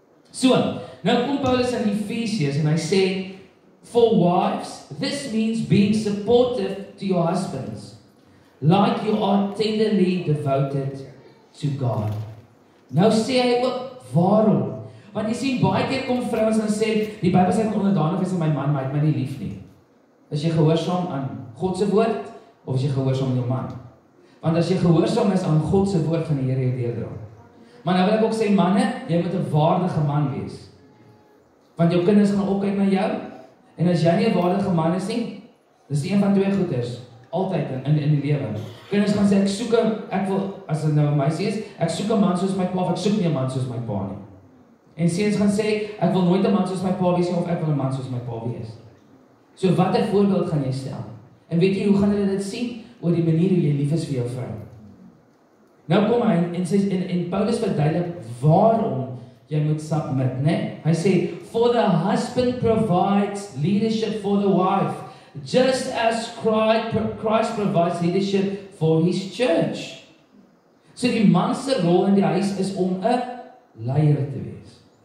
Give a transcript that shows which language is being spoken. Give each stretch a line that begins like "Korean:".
Afrikaans: So, nou kom Paulus in Efesiërs en hy sê,
English: "For wives, this means being supportive to your husbands, like you are tenderly devoted to God."
Afrikaans: Nou sê hy ook, "Waarom?" Want jy sien, baie keer kom vrouens en sê, die Bybel sê, onderdanig is aan my man, maar hy het my nie lief nie. As jy gehoorsaam aan God se woord, of as jy gehoorsaam aan jou man? Want as jy gehoorsaam is aan God se woord, van die Here jou deurdra. Maar nou wil ek ook sê, manne, jy moet 'n waardige man wees. Want jou kinders gaan opkyk na jou, en as jy nie 'n waardige man is nie, dis een van twee goeders, altyd in die lewe. Kinders gaan sê, as dit nou 'n meisie is, ek soek 'n man soos my pa, of ek soek nie 'n man soos my pa nie. En seuns gaan sê, ek wil nooit 'n man soos my pa wees nie, of ek wil 'n man soos my pa wees. So watter voorbeeld gaan jy stel? En weet jy hoe gaan hulle dit sien? Oor die manier hoe jy lief is vir jou vrou. Nou kom hy en Paulus verduidelik waarom jy moet submit, né? Hy sê,
English: "For the husband provides leadership for the wife, just as Christ provides leadership for his church."
Afrikaans: So die man se rol in die huis is om 'n leier te wees.